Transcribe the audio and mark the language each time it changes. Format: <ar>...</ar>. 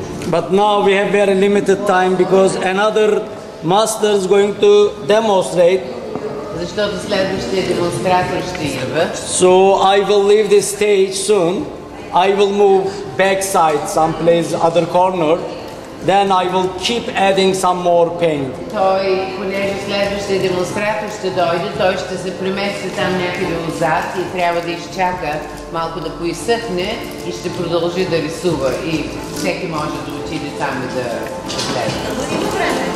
<en>But now we have very limited time, because another master is going to demonstrate.</en> <bg>Защото следващия демонстратор ще идва.</bg> <en>So I will leave this stage soon. I will move backside, someplace other corner. Then I will keep adding some more paint.</en> <bg>Той, понеже следващия демонстратор ще дойде, той ще се премести там някъде отзад и трябва да изчака малко да поисъхне и ще продължи да рисува. И всеки може да отиде там и да гледа.</bg>